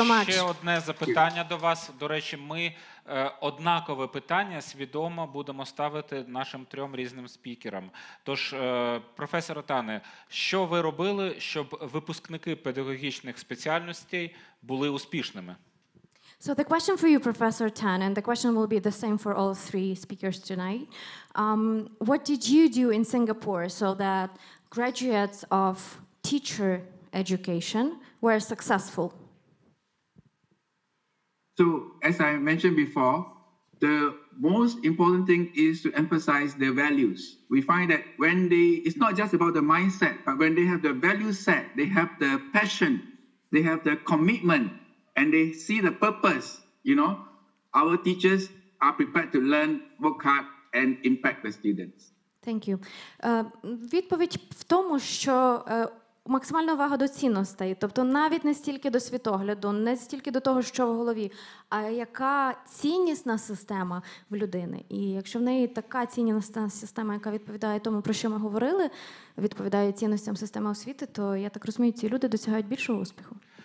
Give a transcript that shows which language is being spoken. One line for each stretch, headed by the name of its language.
Ukrainian: І маємо ще одне запитання до вас. До речі, ми однакове питання свідомо будемо ставити нашим трьом різним спікерам. Тож, професор Тане, що ви робили, щоб випускники педагогічних спеціальностей були успішними?
English: So the question for you, Professor Tan, and the question will be the same for all three speakers tonight. What did you do in Singapore so that graduates of teacher education were successful? So, as I mentioned before, the most important thing is to emphasize their values. We find that when they, it's not just about the mindset, but when they have the value set, they have the passion, they have the commitment, and they see the purpose, you know, our teachers are prepared to learn, work hard, and impact the students. Thank you.
Ukrainian: Відповідь в тому, що максимальна увага до цінностей, тобто навіть не стільки до світогляду, не стільки до того, що в голові, а яка ціннісна система в людини. І якщо в неї така ціннісна система, яка відповідає тому, про що ми говорили, відповідає цінностям системи освіти, то, я так розумію, ці люди досягають більшого успіху.